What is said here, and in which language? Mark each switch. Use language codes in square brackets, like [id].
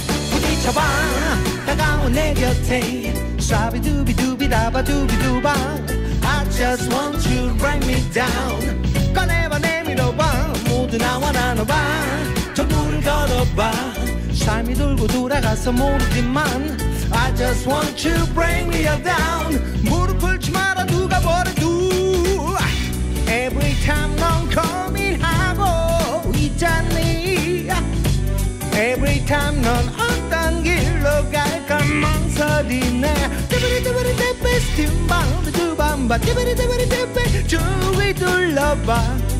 [ko] 부딪혀봐 다가온 내 곁에. 샤비두비두비다바두비두바. [en] I just want you to bring me down. [ko] 꺼내봐 내밀어봐. 모두 나와 나눠봐. 전부를 걸어봐. 삶이 돌고 돌아가서 모르지만. [en] I just want you to bring me down. [ko] 무릎 꿇지 마라 누가 뭐래도. [en] Every time [ko] 넌 고민 하고 있잖니. [en] Every time [ko] 넌 어떤 길로 갈까 망설이네. 두바리두바리 대패 스팀바운드 두밤바. 두바리두바리 대패 주위 둘러봐.